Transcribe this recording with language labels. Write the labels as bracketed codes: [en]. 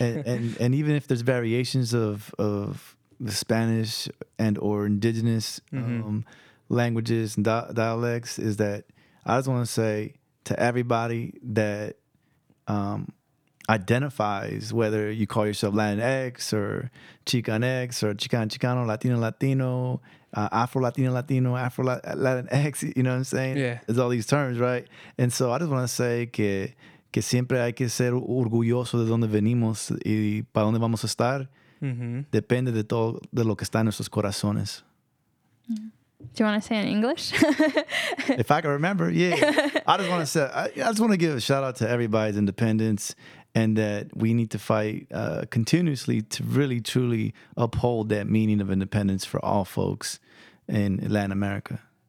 [en] and even if there's variations of the Spanish and or indigenous languages and dialects, is that I just want to say to everybody that identifies, whether you call yourself Latinx or Chicanx or Chicano, Latino, Afro-Latino, Afro-Latinx, you know what I'm saying? Yeah. It's all these terms, right? And so I just want to say [es] que siempre hay que ser orgulloso de donde venimos y para donde vamos a estar. Depende de todo de lo que está en nuestros corazones. [en] Do you want to say in English? If I can remember, yeah. I just want to say, I just want to give a shout out to everybody's independence, and that we need to fight continuously to really, truly uphold that meaning of independence for all folks in Latin America.